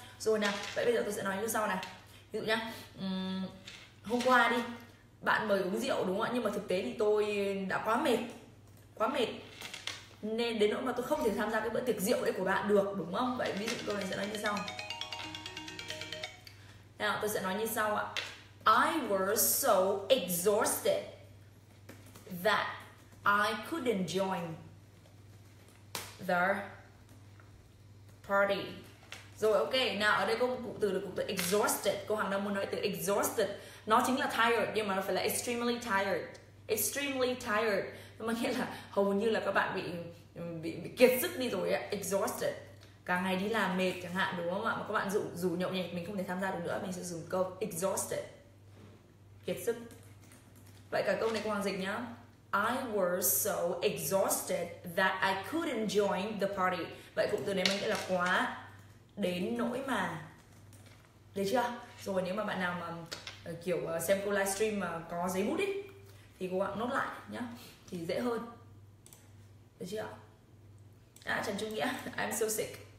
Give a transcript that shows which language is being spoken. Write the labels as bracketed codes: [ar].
[vi] Rồi nào, vậy bây giờ tôi sẽ nói như sau này. Ví dụ nhá, hôm qua đi, bạn mời uống rượu đúng không ạ? Nhưng mà thực tế thì tôi đã quá mệt nên đến nỗi mà tôi không thể tham gia cái bữa tiệc rượu đấy của bạn được, đúng không? Vậy ví dụ câu này sẽ nói như sau. Nào, tôi sẽ nói như sau ạ. [en] I was so exhausted that I couldn't join the party. [vi] Rồi, ok. Nào, ở đây có một cụm từ là cụm từ exhausted. Cô Hằng đang muốn nói từ exhausted. Nó chính là tired, nhưng mà nó phải là [en] extremely tired. Extremely tired. [vi] Mà nghĩa là hầu như là các bạn bị kiệt sức đi rồi ạ, exhausted. Cả ngày đi làm mệt chẳng hạn đúng không ạ? Mà các bạn dù nhậu nhẹt mình không thể tham gia được nữa, mình sẽ dùng câu exhausted. Kiệt sức. Vậy cả câu này cô Hoàng dịch nhá. [en] I was so exhausted that I couldn't join the party. [vi] Vậy cụm từ này mình nghĩa là quá đến nỗi mà. Được chưa? Rồi nếu mà bạn nào mà kiểu xem cô livestream mà có giấy bút đi thì cô Hoàng nốt lại nhá, thì dễ hơn. Được chưa? [en] À, Trần Trung Nghĩa, I'm so sick.